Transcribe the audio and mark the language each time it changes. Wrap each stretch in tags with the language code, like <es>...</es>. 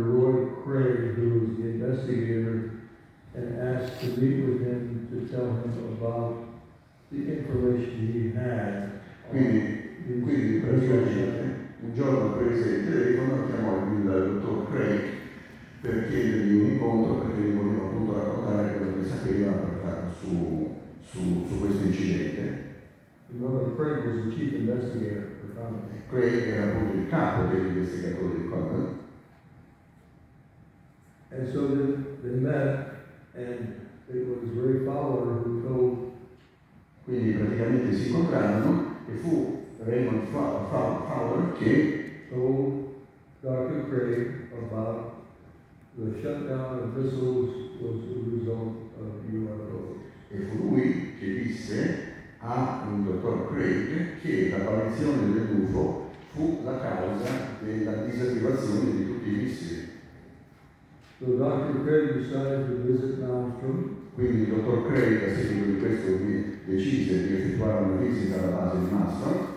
<en>Roy Craig, who was the investigator, and asked to meet with him to tell him about the information he had.</en> <it>Quindi praticamente un giorno prese il telefono, chiamò il dottor Craig per chiedergli un incontro, perché gli voleva appunto raccontare quello che sapeva su questo incidente.</it> <en>Craig was the chief investigator for Condon.</en> <it>Craig era appunto il capo degli investigatori di Condon.</it> <en>And so they met, and it was Ray Fowler who told.</en> <it>Quindi praticamente si incontrarono e fu Raymond Fowler che</it> <en>told Dr. Craig about the shutdown of missiles was the result of UFO.</en> <it>E fu lui che disse a un dottor Craig che l'apparizione del UFO fu la causa della disattivazione di tutti i missili.</it> <en>So Dr. Craig decided to visit Nostrum.</en> <it>Quindi il dottor Craig, a seguito di questo, decise di effettuare una visita alla base di Nostrum.</it>